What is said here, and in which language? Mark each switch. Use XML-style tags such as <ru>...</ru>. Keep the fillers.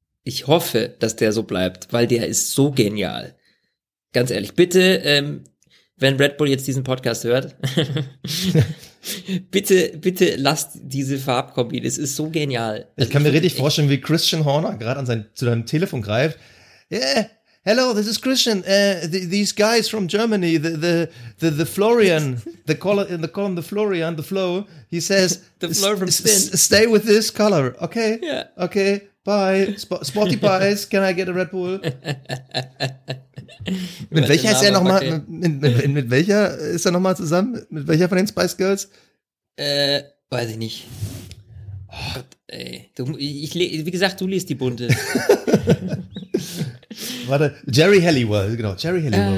<de>Ich hoffe, dass der so bleibt, weil der ist so genial. Ganz ehrlich, bitte, ähm, wenn Red Bull jetzt diesen Podcast hört, bitte, bitte lasst diese Farbkombi. Das ist so genial. Ich kann mir richtig Ich- vorstellen, wie Christian Horner gerade an sein zu seinem Telefon greift.</de> <en>Yeah, hello, this is Christian. Uh, the, these guys from Germany, the the the, the Florian, the color in the column, the Florian, the flow. He says, The Flo from "S- Spin." s- Stay with this color, okay? Yeah. Okay. Bye. Sp Sporty Pies, can I get a Red Bull?</en> <de>mit welcher ist er nochmal? Mit, mit, mit, mit welcher ist er nochmal zusammen? Mit welcher von den Spice Girls? Äh, weiß ich nicht. Oh Gott, ey. Du, ich, le- wie gesagt, du liest die bunte. Warte, Jerry Halliwell, genau, Jerry Halliwell</de>